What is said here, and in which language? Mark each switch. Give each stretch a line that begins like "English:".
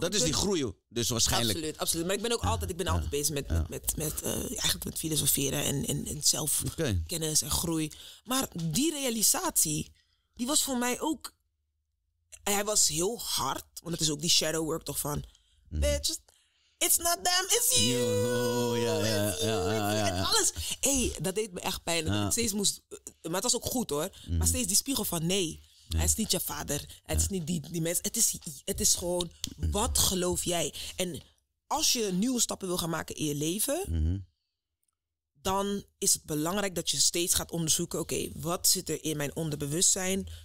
Dutch: Dat is die groei, dus waarschijnlijk. Absoluut. Maar ik ben ook altijd bezig met filosoferen en zelfkennis en groei. Maar die realisatie, die was voor mij ook... Hij was heel hard, want het is ook die shadow work toch van...
English: Bitch, it's not them, it's you.
Dutch: Ja. En alles. Dat deed me echt pijn. Ja. Maar het was ook goed hoor. Mm. Maar steeds die spiegel van nee. Ja. Hij is niet je vader. Het is niet die mensen. Het is gewoon, wat geloof jij? En als je nieuwe stappen wil gaan maken in je leven, dan is het belangrijk dat je steeds gaat onderzoeken, oké, wat zit er in mijn onderbewustzijn?